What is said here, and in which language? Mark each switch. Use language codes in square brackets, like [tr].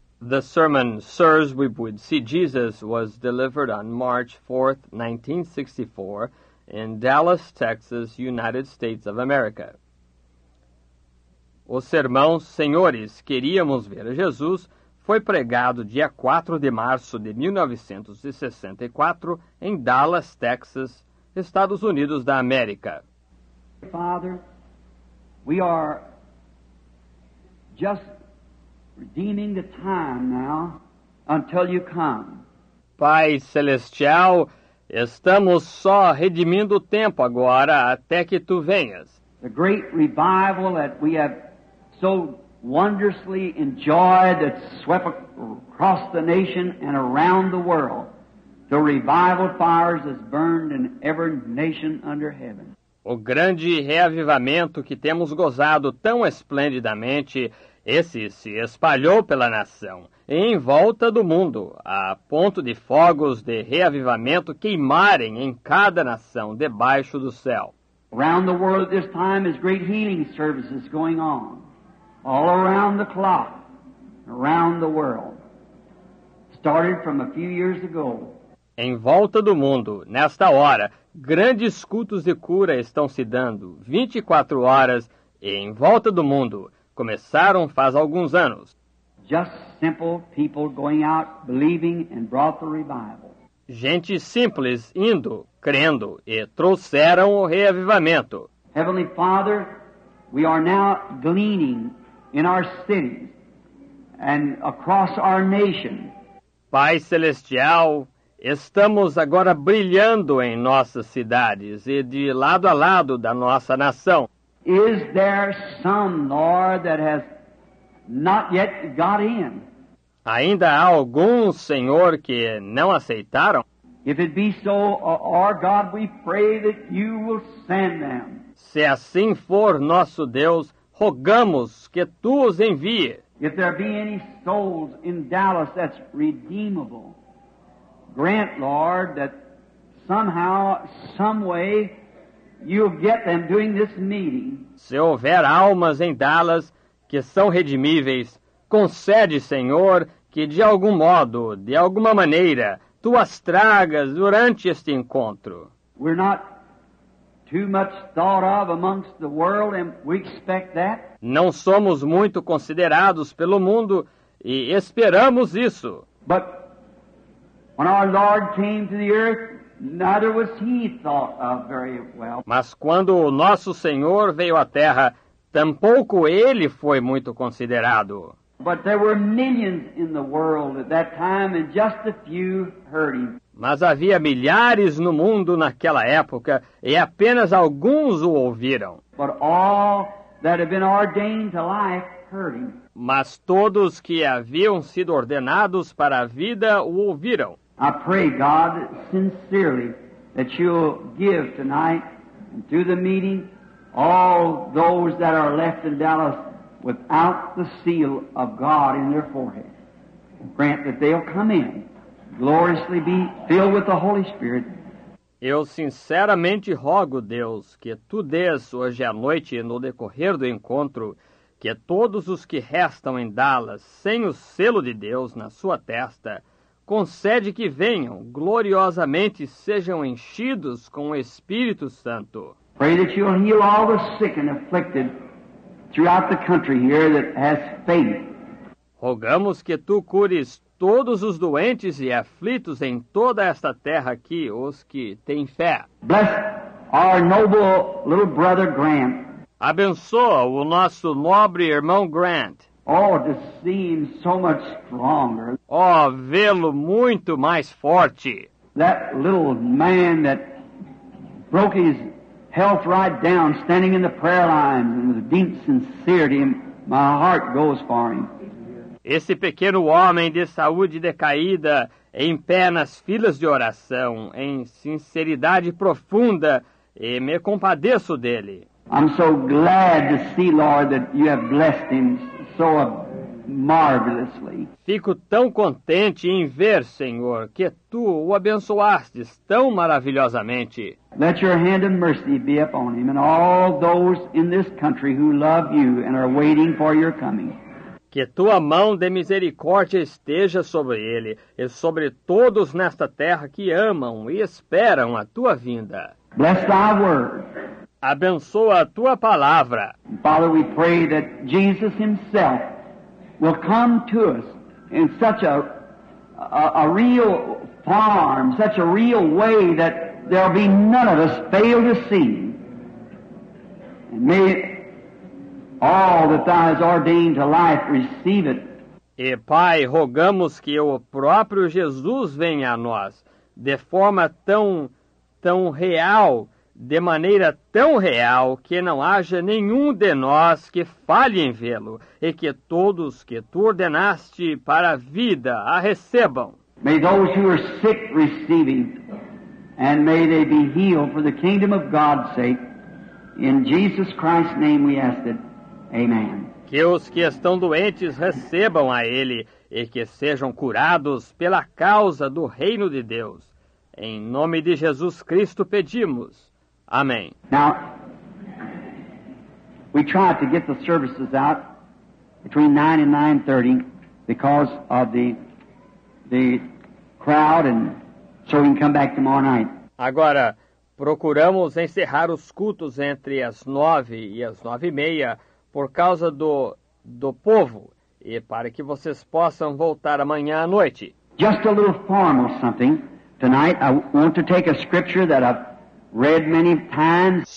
[en] The sermon, Sirs, We Would See Jesus, was delivered on March 4, 1964, in Dallas, Texas, United States of America. [pt] O sermão, Senhores, Queríamos Ver Jesus, foi pregado dia 4 de março de 1964, em Dallas, Texas, Estados Unidos da América. [en] Father, we are just redeeming the time now until you come. [pt] Pai Celestial, estamos só redimindo o tempo agora até que tu venhas. [en] The great revival that we have so wondrously enjoyed that swept across the nation and around the world. The revival fires that burned in every nation under heaven. [pt] O grande reavivamento que temos gozado tão esplendidamente, esse se espalhou pela nação e em volta do mundo, a ponto de fogos de reavivamento queimarem em cada nação debaixo do céu. [en] Around the world at this time is great healing services going on, all around the clock, around the world. Started from a few years ago. [pt] Em volta do mundo, nesta hora, grandes cultos de cura estão se dando, 24 horas, e em volta do mundo, começaram faz alguns anos. [en] Just simple people going out, believing, and brought the revival. [pt] Gente simples indo, crendo, e trouxeram o reavivamento. [en] Heavenly Father, we are now gleaning in our cities and across our nation. [pt] Pai Celestial, estamos agora brilhando em nossas cidades e de lado a lado da nossa nação. [en] Is there some, Lord, that has not yet got in? [pt] Ainda há algum, Senhor, que não aceitaram? [en] If it be so, our God, we pray that you will send them. [pt] Se assim for, nosso Deus, rogamos que tu os envie. [en] If there be any souls in Dallas that's redeemable, grant, Lord, that somehow, some way, you'll get them doing this meeting. [pt] Se houver almas em Dallas que são redimíveis, concede, Senhor, que de algum modo, de alguma maneira, tu as tragas durante este encontro. [en] We're not too much thought of amongst the world, and we expect that. [pt] Não somos muito considerados pelo mundo e esperamos isso. [en] But when our Lord came to the earth, neither was he thought of very well. [pt] Mas quando o nosso Senhor veio à terra, tampouco ele foi muito considerado. [en] But there were millions in the world at that time, and just a few heard him. [pt] Mas havia milhares no mundo naquela época, e apenas alguns o ouviram. [en] But all that had been ordained to life heard him. [pt] Mas todos que haviam sido ordenados para a vida o ouviram. [en] I pray, God, sincerely, that you'll give tonight and through the meeting all those that are left in Dallas without the seal of God in their forehead. Grant that they'll come in, gloriously be filled with the Holy Spirit. [pt] Eu sinceramente rogo, Deus, que tu dês hoje à noite no decorrer do encontro que todos os que restam em Dallas sem o selo de Deus na sua testa concede que venham, gloriosamente sejam enchidos com o Espírito Santo. [en] Pray that you'll heal all the sick and afflicted throughout the country here that has faith. [pt] Rogamos que tu cures todos os doentes e aflitos em toda esta terra aqui, os que têm fé. [en] Bless our noble little brother Grant. [pt] Abençoa o nosso nobre irmão Grant. [en] Oh, to see him so much stronger. [pt] Oh, vê-lo muito mais forte. [en] That little man that broke his health right down, standing in the prayer line with deep sincerity, my heart goes for him. [pt] Esse pequeno homem de saúde decaída, em pé nas filas de oração, em sinceridade profunda, e me compadeço dele. [en] I'm so glad to see, Lord, that you have blessed him so marvelously. [pt] Fico tão contente em ver, Senhor, que tu o abençoastes tão maravilhosamente. [en] Let your hand of mercy be upon him and all those in this country who love you and are waiting for your coming. [pt] Que tua mão de misericórdia esteja sobre ele e sobre todos nesta terra que amam e esperam a tua vinda. [en] Bless thy word. [pt] Abençoa a tua palavra. [en] Father, we pray that Jesus himself will come to us in such a real form, such a real way that there'll be none of us fail to see. And may all that thou hast ordained to life receive it. [pt] E Pai, rogamos que o próprio Jesus venha a nós de forma tão real, de maneira tão real, que não haja nenhum de nós que falhe em vê-lo, e que todos que tu ordenaste para a vida a recebam. [en] May those who are sick receive him, and may they be healed for the kingdom of God's sake. In Jesus Christ's name we ask it. Amen. [pt] Que os que estão doentes recebam a ele, e que sejam curados pela causa do reino de Deus. Em nome de Jesus Cristo pedimos. Amém. [en] Now, we tried to get the services out between 9 and 9:30 because of the crowd, and so we can come back tomorrow night. [pt] Agora, procuramos encerrar os cultos entre as 9 e as 9:30 por causa do povo e para que vocês possam voltar amanhã à noite. [en] Just a little formal something. Tonight I want to take a scripture that I've read many times.